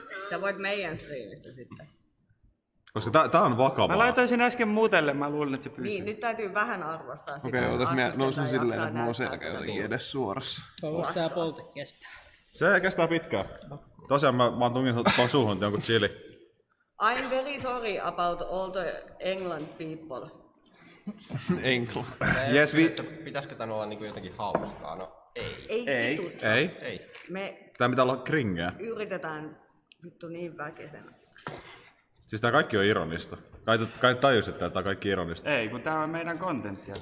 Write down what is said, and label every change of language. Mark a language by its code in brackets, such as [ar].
[fi] Sä voit meidän striimissä sitten. Koska tää on vakavaa. Mä laitoin sen äsken muutelle, mä luulin, että se pyysi. Niin, nyt täytyy vähän arvostaa sitä. Okei, otas mä nousin silleen, että mulla on selkä jotenkin edes suorassa. Toivottavasti tää polte kestää. Se kestää pitkään. Tosiaan mä tunkin vaan suuhun jonkun chili. [en] I'm very sorry about all the England people. England. Yes, we... [fi] Pitäisikö tän olla niinku jotenkin hauskaa? No ei. Ei. Me... Tää pitää olla kringeä. Yritetään vittu niin väkisenä. Siis tää kaikki on ironista. Kai tajus, että tää on kaikki ironista. Ei, kun tää on meidän kontenttia.